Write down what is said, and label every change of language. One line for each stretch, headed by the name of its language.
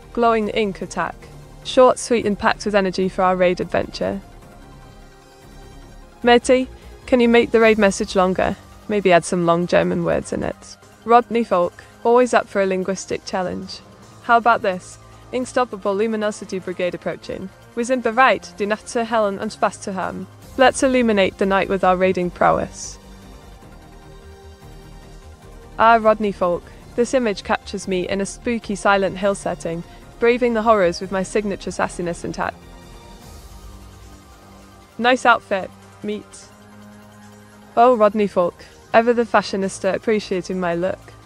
English: Glowing ink attack. Short, sweet, and packed with energy for our raid adventure. Mete, can you make the raid message longer? Maybe add some long German words in it. Rodney Folk, always up for a linguistic challenge. How about this? Unstoppable luminosity brigade approaching.
German: Wir sind bereit, die Nacht zu hellen und Spaß zu haben.
English: Let's illuminate the night with our raiding prowess. Ah, Rodney Folk, this image captures me in a spooky Silent Hill setting, braving the horrors with my signature sassiness intact. Nice outfit, meet. Oh, Rodney Folk, ever the fashionista appreciating my look.